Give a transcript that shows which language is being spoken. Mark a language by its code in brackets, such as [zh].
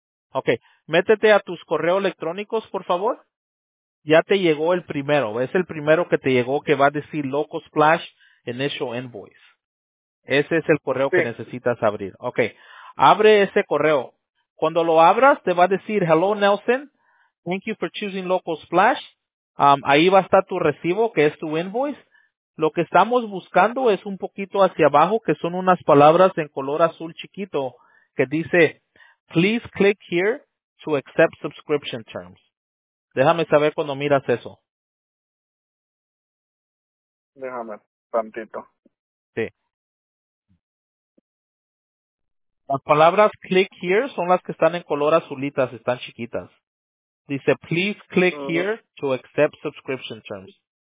[es] Okay, métete a tus correos electrónicos, por favor. Ya te llegó el primero. Es el primero que te llegó que va a decir Local Splash Initial Invoice. Ese es el correo que necesitas abrir. Okay. Abre ese correo. Cuando lo abras, te va a decir Hello Nelson. [en] Thank you for choosing Local Splash. [es] Ahí va a estar tu recibo, que es tu invoice. Lo que estamos buscando es un poquito hacia abajo, que son unas palabras en color azul chiquito que dice [en] Please click here to accept subscription terms. [es] Déjame saber cuando miras eso. Déjame, tantito. Sí. Las palabras [en] click here [es] son las que están en color azulitas, están chiquitas. Dice, [en] please click here to accept subscription terms.